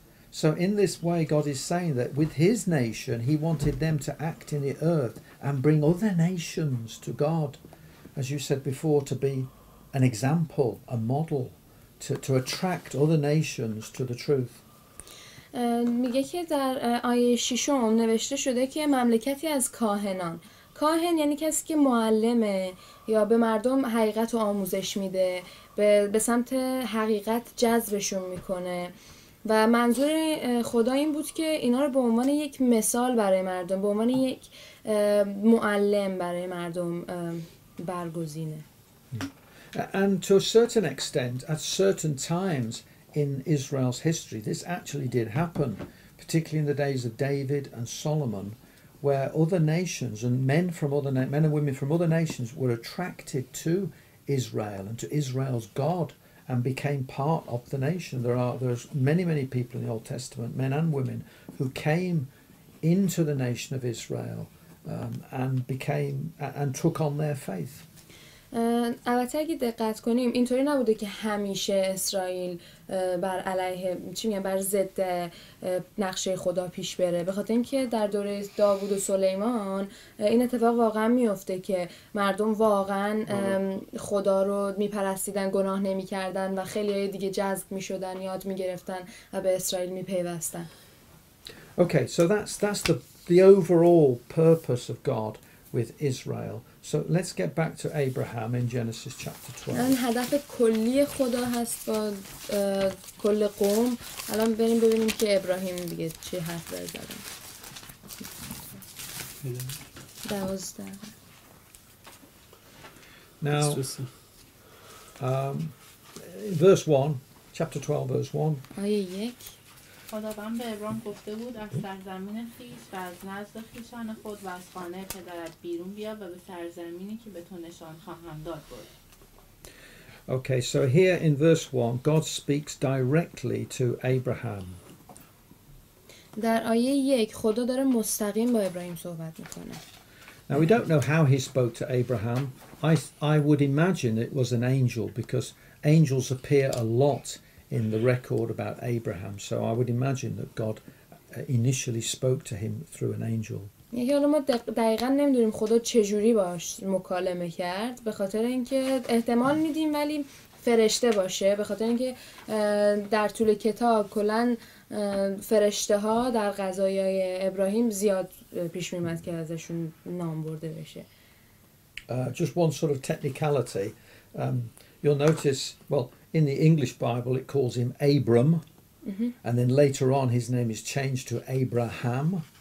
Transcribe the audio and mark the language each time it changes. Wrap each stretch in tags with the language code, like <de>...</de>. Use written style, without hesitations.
<en>So in this way, God is saying that with his nation, he wanted them to act in the earth and bring other nations to God. As you said before, to be an example, a model, to attract other nations to the truth.</en> <fa>میگه که در آیه ششم نوشته شده که مملکتی از کاهنان. کاهن یعنی کسی که معلمه یا به مردم حقیقت رو آموزش میده، به سمت حقیقت جذبشون میکنه و منظور خدا این بود که اینا رو به عنوان یک مثال برای مردم، به عنوان یک معلم برای مردم برگزینه.</fa> <en>And to a certain extent at certain times in Israel's history this actually did happen, particularly in the days of David and Solomon, where other nations and men and women from other nations were attracted to Israel and to Israel's God and became part of the nation. There's many, many people in the Old Testament, men and women, who came into the nation of Israel and took on their faith.</en> <fa>البته اگه دقت کنیم اینطوری نبوده که همیشه اسرائیل بر علیه چی میگن بر ضد نقشه خدا پیش بره، به خاطر اینکه در دوره داوود و سلیمان این اتفاق واقعا میفته که مردم واقعا خدا رو میپرستیدن، گناه نمیکردن و خیلی های دیگه جذب میشدن، یاد میگرفتن و به اسرائیل میپیوستن.</fa> <en>Okay, so that's the overall purpose of God with Israel. So let's get back to Abraham in Genesis chapter 12.</en> <fa>And هدف کلی خدا هست با کل قوم. الان بریم ببینیم که ابراهیم دیگه چی حرف زد. 12.</fa> <en>Verse 1, chapter 12 verse 1.</en> <fa>آیه 1. خداوند به ابرام گفته بود از سرزمین خیش و از نزد خیشان خود و از خانه پدرت بیرون بیا و به سرزمینی که به تو نشان خواهم داد برو.</fa> <en>Okay, so here in verse 1 God speaks directly to Abraham.</en> <fa>در آیه 1 خدا داره مستقیم با ابراهیم صحبت میکنه.</fa> <en>Now we don't know how he spoke to Abraham. I would imagine it was an angel because angels appear a lot in the record about Abraham, so I would imagine that God initially spoke to him through an angel.</en> <fa>یعنی حالا ما دقیقاً نمیدونیم خدا چجوری باش مکالمه کرد به خاطر اینکه احتمال میدیم ولی فرشته باشه به خاطر اینکه در طول کتاب کلاً فرشته ها در قضایای ابراهیم زیاد پیش میمد که ازشون نام برده بشه.</fa> <en>Just one sort of technicality. You'll notice, well, in the English Bible it calls him Abram, and then later on his name is changed to Abraham.</en>